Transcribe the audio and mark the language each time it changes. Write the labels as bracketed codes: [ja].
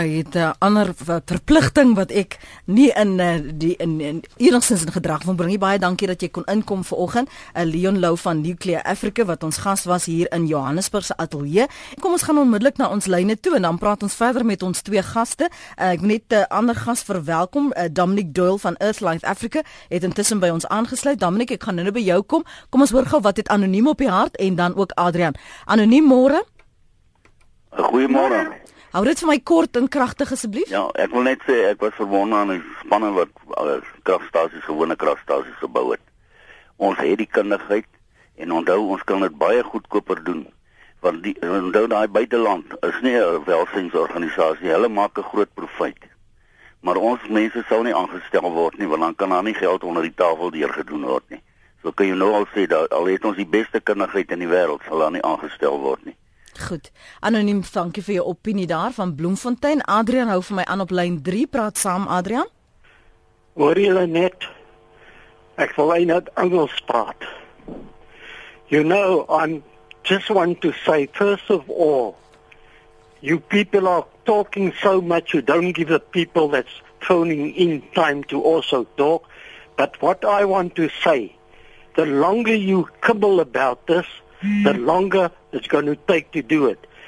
[af] Hy het 'n ander verpligting wat ek nie in gedrag van bring. Baie dankie dat jy kon inkom vanoggend. Leon Lou van Nuclear Africa, wat ons gas was hier in Johannesburg se ateljee. Kom, ons gaan onmiddellik na ons lyne toe en dan praat ons verder met ons twee gaste. Ek wil net 'n ander gas verwelkom. Dominic Doyle van Earthlife Africa het intussen by ons aangesluit. Dominic, ek gaan nou by jou kom. Kom, ons hoor gou wat het Anoniem op die hart en dan ook Adrian. Anoniem, môre. Goeiemôre. Hou dit vir my kort en kragtig asseblief. Ja, ek wil net sê ek was verwonder aan die spanne wat kragstasies, gewone kragstasies gebou het. Ons het die kundigheid en onthou ons kan dit baie goedkoper doen. Want die onthou daai buiteland is nie 'n welsynsorganisasie, hulle maak 'n groot profijt. Maar ons mense sal nie aangestel word nie, want dan kan daar nie geld onder die tafel deurgedoen word nie. So kan jy nou al sê, al het ons die beste kundigheid in die wêreld, sal daar nie aangestel word nie. Goed, anoniem, dankie vir jou opinie daar van Bloemfontein. Adrian hou vir my aan op lyn 3, praat saam, Adrian. Hoor jy net, ek wil eindig Engels praat. [en] You know, I just want to say, first of all, you people are talking so much, you don't give the people that's phoning in time to also talk. But what I want to say, the longer you kibble about this, the longer it's going to take to do it.